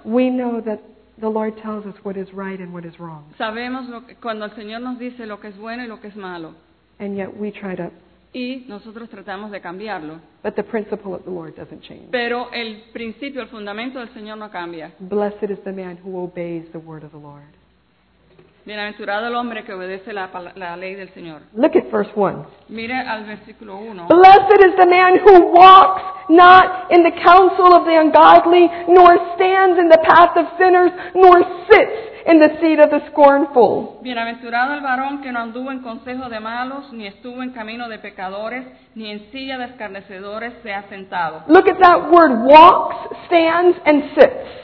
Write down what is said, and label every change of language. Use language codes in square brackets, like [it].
[en] we know that the Lord tells us what is right and what is wrong. [es] Sabemos lo que, cuando el Señor nos dice lo que es bueno y lo que es malo. [en] And yet we try to. [es] Y nosotros tratamos de cambiarlo. [en] But the principle of the Lord doesn't change. [es] Pero el principio, el fundamento del Señor no cambia. [en] Blessed is the man who obeys the word of the Lord. [es] Bienaventurado el hombre que obedece la ley del Señor. [en] Look at verse 1. [es] Mira al versículo 1. [en] Blessed is the man who walks not in the counsel of the ungodly, nor stands in the path of sinners, nor sits in the seat of the scornful. [es] Bienaventurado el varón que no anduvo en consejo de malos, ni estuvo en camino de pecadores, ni en silla de escarnecedores se ha sentado. [en] Look at that word, walks, stands, and sits.